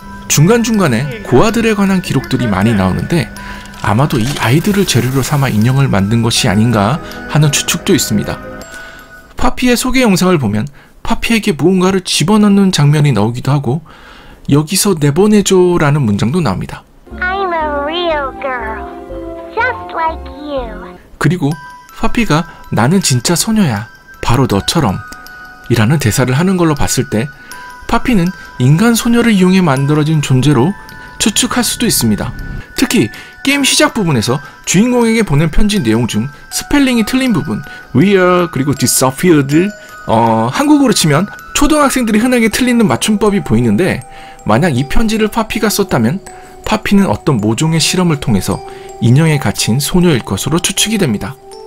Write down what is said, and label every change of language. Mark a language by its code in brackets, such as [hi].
[ko] 중간중간에 고아들에 관한 기록들이 많이 나오는데 아마도 이 아이들을 재료로 삼아 인형을 만든 것이 아닌가 하는 추측도 있습니다. 파피의 소개 영상을 보면 파피에게 무언가를 집어넣는 장면이 나오기도 하고 여기서 내보내줘 라는 문장도 나옵니다. [en] I'm a real girl, just like you. [ko] 그리고 파피가 나는 진짜 소녀야, 바로 너처럼 이라는 대사를 하는 걸로 봤을 때 파피는 인간 소녀를 이용해 만들어진 존재로 추측할 수도 있습니다. 특히 게임 시작 부분에서 주인공에게 보낸 편지 내용 중 스펠링이 틀린 부분, We are 그리고 disappeared, 한국어로 치면 초등학생들이 흔하게 틀리는 맞춤법이 보이는데 만약 이 편지를 파피가 썼다면 파피는 어떤 모종의 실험을 통해서 인형에 갇힌 소녀일 것으로 추측이 됩니다.